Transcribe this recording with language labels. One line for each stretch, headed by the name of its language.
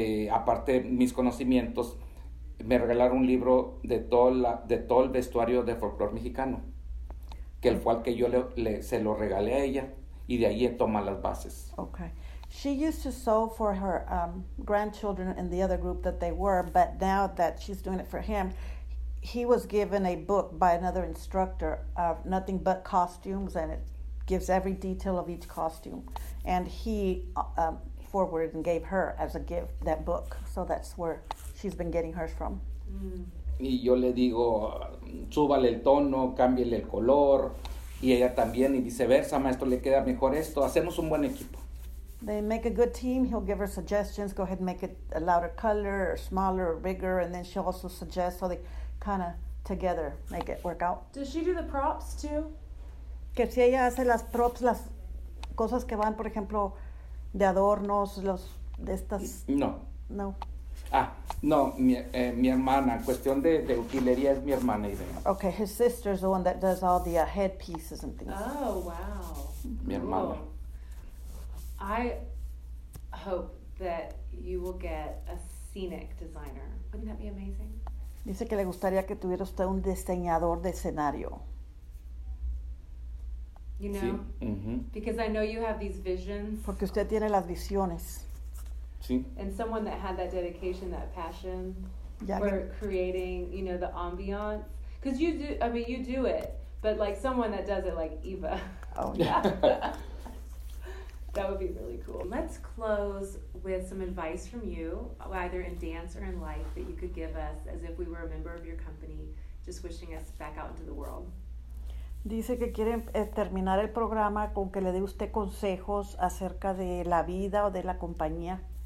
Spanish: Aparte de mis conocimientos, me regalaron un libro de todo el vestuario de folclore mexicano, que fue el que yo se lo regalé a ella, y de ahí he tomado las bases.
English: Okay. She used to sew for her grandchildren in the other group that they were, but now that she's doing it for him, he was given a book by another instructor of nothing but costumes, and it gives every detail of each costume, and he forwarded and gave her as a gift that book, so that's where she's been getting hers from.
Spanish: Y yo le digo, súbale el tono, cámbiale el color, y ella también, y viceversa, maestro, le queda mejor esto, hacemos un buen equipo.
English: They make a good team, he'll give her suggestions, go ahead and make it a louder color, or smaller, or bigger, and then she'll also suggest, so they kind of together make it work out. Does she do the props too?
Spanish: Que si ella hace las props, las cosas que van, por ejemplo, de adornos, los de estas... No. No. Ah, no, mi hermana, en cuestión de utilería es mi hermana Irene.
English: Okay, his sister's the one that does all the headpieces and things. Oh, wow.
Spanish: Mi hermana.
English: Cool. I hope that you will get a scenic designer. Wouldn't that be amazing?
Spanish: Dice que le gustaría que tuviera usted un diseñador de escenario.
English: You know,
Spanish: sí. Mm-hmm.
English: Because I know you have these visions.
Spanish: Porque usted tiene las visiones. Sí.
English: And someone that had that dedication, that passion for creating, you know, the ambiance. Because you do, I mean, you do it, but like someone that does it like Eva. Oh, yeah. That would be really cool. Let's close with some advice from you, either in dance or in life, that you could give us as if we were a member of your company, just wishing us back out into the world.
Spanish: Dice que quieren terminar el programa con que le dé usted consejos acerca de la vida o de la compañía.